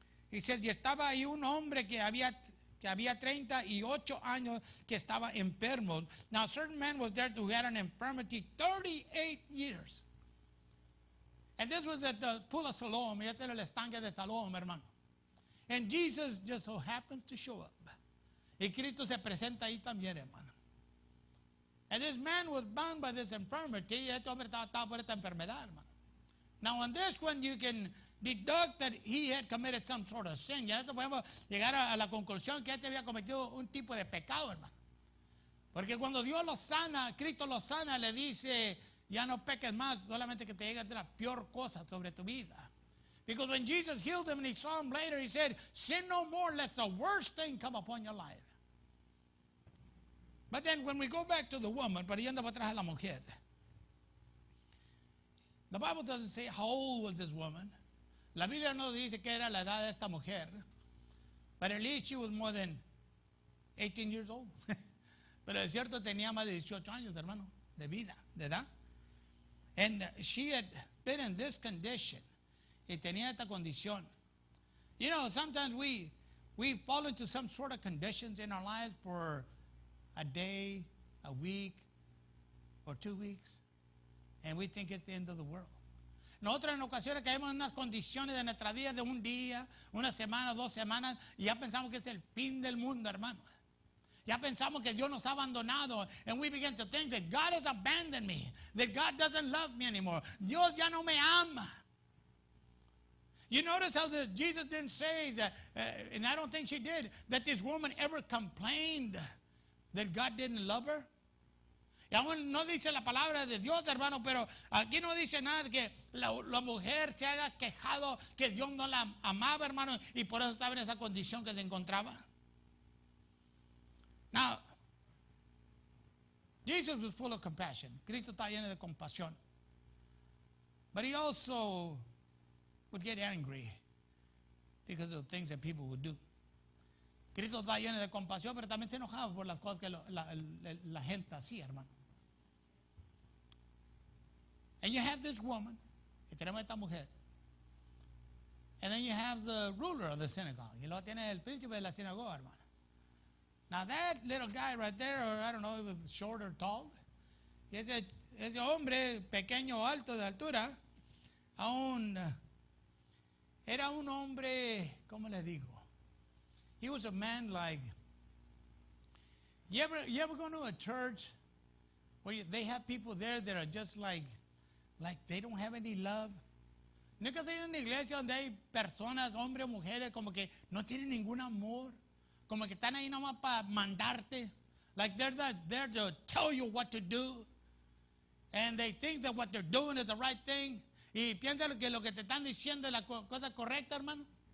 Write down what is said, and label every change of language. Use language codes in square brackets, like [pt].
[en] He says, [es] y estaba ahí un hombre que había 38 años que estaba enfermo. [en] Now, a certain man was there who had an infirmity 38 years. And this was at the pool of Siloam. [es] Y este era el estanque de Siloam, hermano. [en] And Jesus just so happens to show up. [es] Y Cristo se presenta ahí también, hermano. [en] And this man was bound by this infirmity. [es] Y este hombre estaba atado por esta enfermedad, hermano. [en] Now on this one, you can deduct that he had committed some sort of sin. [es] Y en esto podemos llegar a la conclusión que este había cometido un tipo de pecado, hermano. Porque cuando Dios lo sana, Cristo lo sana, le dice, ya no peques más, solamente que te llegue de la peor cosa sobre tu vida. [en] Because when Jesus healed him and he saw him later, he said, sin no more, lest the worst thing come upon your life. But then when we go back to the woman, [es] pero yendo para atrás a la mujer, [en] the Bible doesn't say how old was this woman. [es] La Biblia no dice que era la edad de esta mujer. [en] But at least she was more than 18 years old. [es] Pero es cierto, tenía más de 18 años, hermano, de vida, de edad. [en] And she had been in this condition. [es] Y tenía esta condición. [en] You know, sometimes we fall into some sort of conditions in our lives for a day, a week, or 2 weeks. And we think it's the end of the world. [es] Nosotros en ocasiones caemos en unas condiciones de nuestra vida de un día, una semana, dos semanas, y ya pensamos que es el fin del mundo, hermano. Ya pensamos que Dios nos ha abandonado. [en] And we begin to think that God has abandoned me. That God doesn't love me anymore. [es] Dios ya no me ama. [en] You notice how Jesus didn't say that, and I don't think she did, that this woman ever complained that God didn't love her. [es] Y aún no dice la palabra de Dios, hermano, pero aquí no dice nada que la mujer se haya quejado que Dios no la amaba, hermano, y por eso estaba en esa condición que se encontraba. [en] Now, Jesus was full of compassion. [es] Cristo está lleno de compasión. [en] But he also would get angry because of things that people would do. [es] Cristo está lleno de compasión, pero también se enojaba por las cosas que la gente hacía, hermano. [en] And you have this woman, [es] y tenemos esta mujer. [en] And then you have the ruler of the synagogue. [es] Y luego tiene el príncipe de la sinagoga, hermano. [en] Now that little guy right there, or I don't know, he was short or tall. [es] Ese hombre pequeño alto de altura, aún era un hombre, ¿cómo le digo? [en] He was a man like, you ever go to a church where they have people there that are just like they don't have any love? [es] ¿Nunca has ido a una iglesia donde hay personas, hombres o mujeres, como que no tienen ningún amor? Como que están ahí nomás para mandarte, [en] Like they're not there to tell you what to do. And they think that what they're doing is the right thing. [es] Y piensa que lo que te están diciendo es la cosa correcta, hermano.